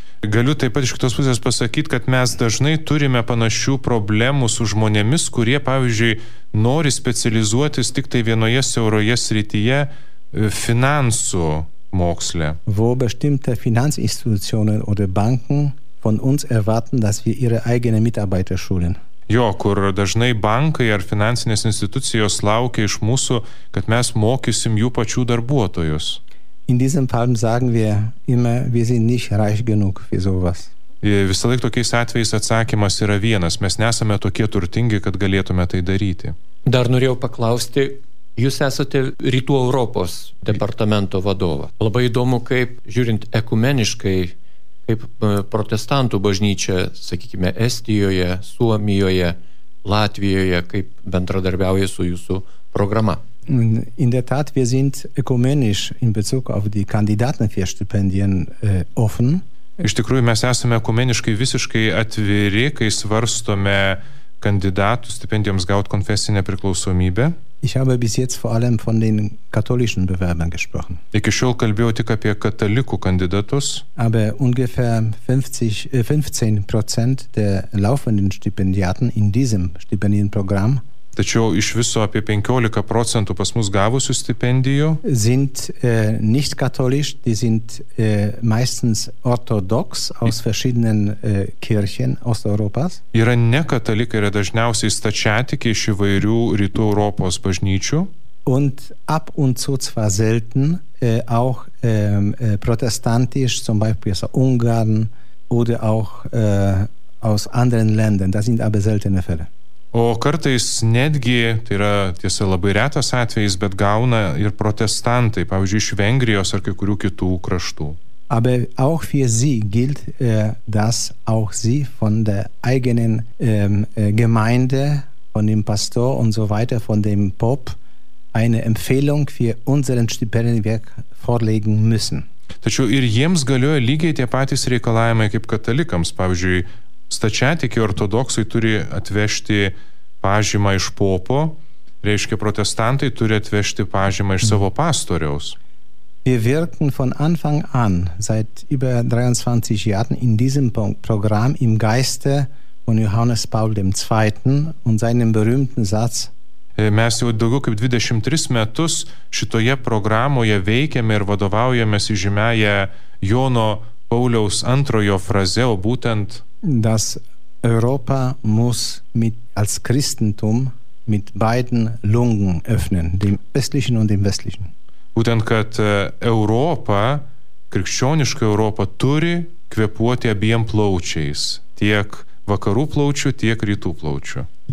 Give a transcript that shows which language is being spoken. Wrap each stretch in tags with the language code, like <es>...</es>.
<lt>Galiu taip pat iš kitos pusės pasakyti, kad mes dažnai turime panašių problemų su žmonėmis, kurie, pavyzdžiui, nori specializuotis tik tai vienoje siauroje srityje finansų moksle.</lt> <de>Wo bestimmte Finanzinstitutionen oder Banken von uns erwarten, dass wir ihre eigene Mitarbeiter schulen.</de> <lt>Jo, kur dažnai bankai ar finansinės institucijos laukia iš mūsų, kad mes mokysim jų pačių darbuotojus.</lt> <de>In diesem Fall sagen wir immer, wir sind nicht reich genug für sowas.</de> <lt>Visą laik tokiais atvejais atsakymas yra vienas. Mes nesame tokie turtingi, kad galėtume tai daryti. Dar norėjau paklausti, jūs esate Rytų Europos departamento vadovas. Labai įdomu, kaip žiūrint ekumeniškai kaip protestantų bažnyčia, sakykime, Estijoje, Suomijoje, Latvijoje, kaip bendradarbiauja su jūsų programa?</lt> <de>In der Tat, wir sind ökumenisch in Bezug auf die Kandidaten für Stipendien offen.</de> <lt>Iš tikrųjų, mes esame ökumeniškai visiškai atviri, kai svarstome kandidatų stipendijoms gauti konfesinę priklausomybę.</lt> <de>Ich habe bis jetzt vor allem von den katholischen Bewerbern gesprochen.</de> <lt>Iki šiol kalbėjau tik apie katalikų kandidatus.</lt> <de>Aber ungefähr 15% der laufenden Stipendiaten in diesem Stipendienprogramm.</de> <lt>Tačiau iš viso apie 15% pas mus gavusių stipendijų</lt> <de>sind nicht katholisch, die sind meistens orthodox aus verschiedenen Kirchen Osteuropas.</de> <lt>Yra ne katalikai, yra dažniausiai stačiatikiai iš įvairių rytų Europos bažnyčių.</lt> <de>Und ab und zu zwar selten auch protestantisch, zum Beispiel aus Ungarn oder auch aus anderen Ländern. Das sind aber seltene Fälle.</de> <lt>O kartais netgi, tai yra tiesa labai retas atvejis, bet gauna ir protestantai, pavyzdžiui, iš Vengrijos ar kai kurių kitų kraštų.</lt> <de>Aber auch für sie gilt, dass auch sie von der eigenen Gemeinde, von dem Pastor und so weiter, von dem Pop, eine Empfehlung für unseren Stipendienwerk vorlegen müssen.</de> <lt>Tačiau ir jiems galioja lygiai tie patys reikalavimai kaip katalikams, pavyzdžiui, Stačiatikiai ortodoksai turi atvežti pažymą iš popo, reiškia protestantai turi atvežti pažymą iš savo pastoriaus.</lt> <de>Wir wirken von Anfang an, seit über 23 Jahren, in diesem Programm im Geiste von Johannes Paul II. Und seinem berühmten Satz.</de> <lt>Mes jau daugiau kaip 23 metus šitoje programoje veikiame ir vadovaujamės į žymiąją Jono Pauliaus antrojo frazę, o būtent</lt> <de>dass Europa muss mit als Christentum mit beiden Lungen öffnen, dem östlichen und dem westlichen.</de> <lt>Būtent, kad Europa, krikščioniška Europa, turi kvepuoti abiem plaučiais, tiek vakarų plaučių, tiek rytų plaučių.</lt>